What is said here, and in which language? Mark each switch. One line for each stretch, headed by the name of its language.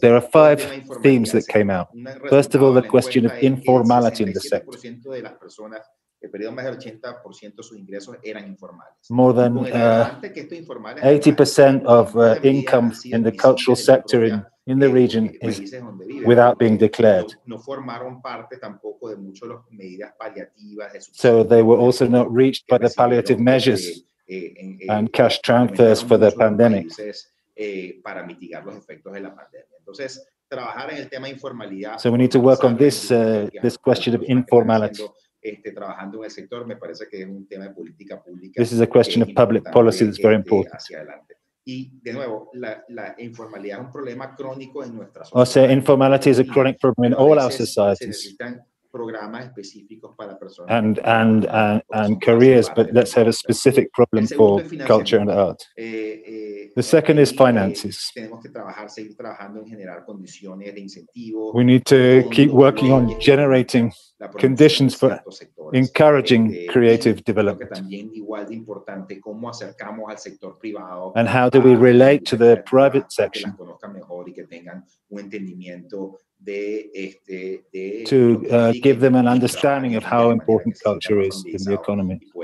English: There are 5 themes that came out. First of all, the question of informality in the sector.
Spanish: el periodo más del 80% de sus ingresos eran informales.
English: More than 80% of income in the cultural sector in the region is without being declared.
Spanish: No formaron parte tampoco de muchas de las medidas paliativas.
English: So they were also not reached by the palliative measures and cash transfers for the pandemic.
Spanish: Para mitigar los efectos de la pandemia. Entonces, trabajar en el tema de informalidad.
English: So we need to work on this this question of informality.
Spanish: Trabajando en el sector, me parece que es un tema de política pública.
English: This is a question of public policy that's very important.
Spanish: Hacia adelante. Y de nuevo, la informalidad es un problema crónico en nuestra
English: sociedad. I'll say informality is a chronic problem in all our societies.
Spanish: Se necesitan programas específicos para personas.
English: And careers, but let's have a specific problem for culture and art. The second is finances.
Spanish: Tenemos que trabajar, seguir trabajando en generar condiciones de incentivos.
English: We need to keep working on generating conditions for encouraging creative development.
Spanish: También igual de importante, cómo acercamos al sector privado.
English: And how do we relate to the private section?
Spanish: Que conozcan mejor y que tengan un entendimiento de
English: to give them an understanding of how important culture is in the economy.